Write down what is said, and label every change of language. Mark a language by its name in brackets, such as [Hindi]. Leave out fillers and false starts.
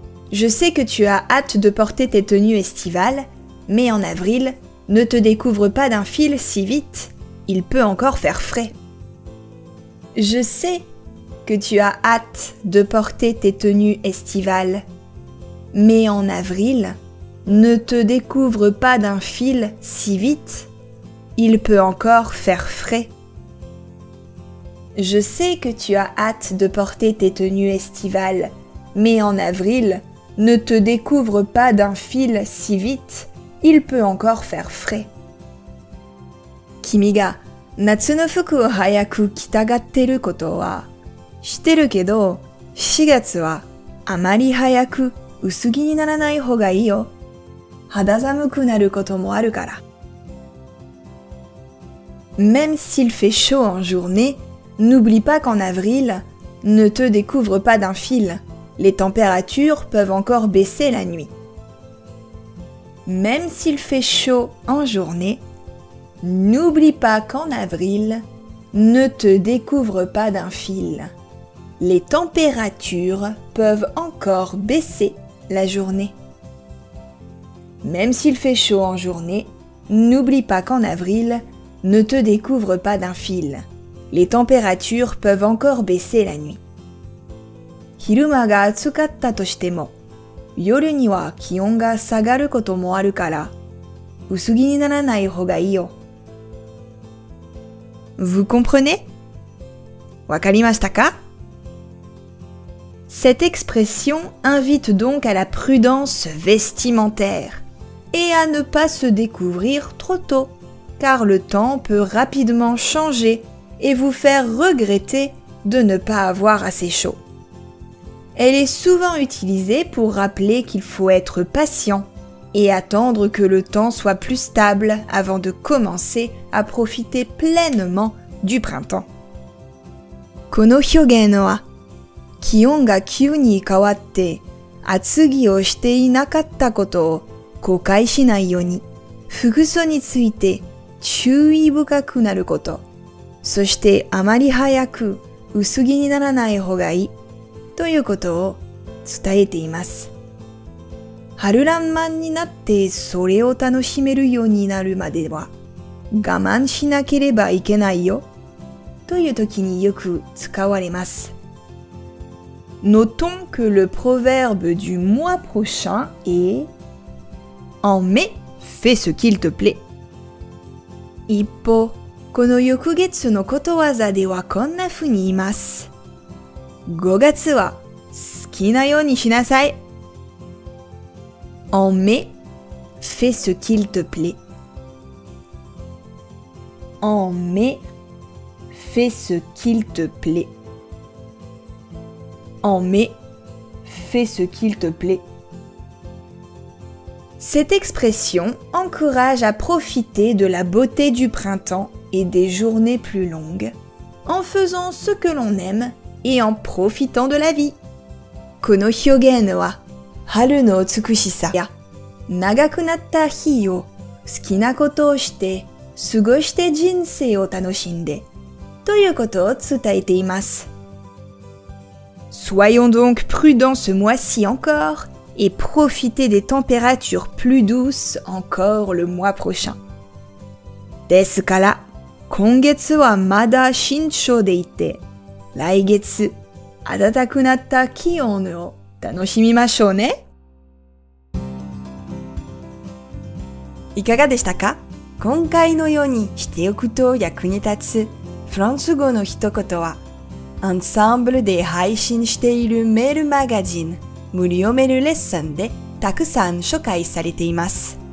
[French] Je sais que tu as hâte de porter tes tenues estivales, mais en avril, ne te découvre pas d'un fil si vite. Il peut encore faire frais. Je sais. Que tu as hâte de porter tes tenues estivales. Mais en avril, ne te découvre pas d'un fil si vite. Il peut encore faire frais. Je sais que tu as hâte de porter tes tenues estivales. Mais en avril, ne te découvre pas d'un fil si vite. Il peut encore faire frais. [Japanese] Kimiga, 夏の服を早く着たがってることは知ってるけど、4月はあまり早く薄着にならない方がいいよ。肌寒くなることもあるから。 [French] Même s'il fait chaud en journée, n'oublie pas qu'en avril, ne te découvre pas d'un fil. Les températures peuvent encore baisser la nuit. Même s'il fait chaud en journée, n'oublie pas qu'en avril, ne te découvre pas d'un fil. Les températures peuvent encore baisser la journée. Même s'il fait chaud en journée, n'oublie pas qu'en avril, ne te découvre pas d'un fil. Les températures peuvent encore baisser la nuit. [Japanese] 昼間が暑かったとしても、夜には気温が下がることもあるから、薄着にならない方がいいよ。 [French] Vous comprenez? [Japanese] わかりましたか? [French] Cette expression invite donc à la prudence vestimentaire et à ne pas se découvrir trop tôt, car le temps peut rapidement changer et vous faire regretter de ne pas avoir assez chaud. Elle est souvent utilisée pour rappeler qu'il faut être patient et attendre que le temps soit plus stable avant de commencer à profiter pleinement du printemps. [Japanese] この表現は、気温が急に変わって厚着をしていなかったことを誤解しないように、服装について注意深くなること、そしてあまり早く薄着にならない方がいいということを伝えています。春らんまんになってそれを楽しめるようになるまでは我慢しなければいけないよという時によく使われます。 [French] Notons que le proverbe du mois prochain est « En mai, fais ce qu'il te plaît !» [Japanese] 一方、この翌月のことわざではこんなふうに言います。 5月は好きなようにしなさい。 [French] 「En mai, fais ce qu'il te plaît !» 「En mai, fais ce qu'il te plaît !» En mai, fais ce qu'il te plaît. Cette expression encourage à profiter de la beauté du printemps et des journées plus longues en faisant ce que l'on aime et en profitant de la vie. [Japanese] この表現は、春の美しさや長くなった日を好きなことをして過ごして人生を楽しんでということを伝えています。 [French] Soyons donc prudents ce mois-ci encore et profitez des températures plus douces encore le mois prochain. [Japanese] ですから、今月はまだ慎重でいて、来月、暖くなった気温を楽しみましょうね。いかがでしたか？今回のようにしておくと役に立つフランス語の一言は、アンサンブルで配信しているメールマガジン無料メールレッスンでたくさん紹介されています。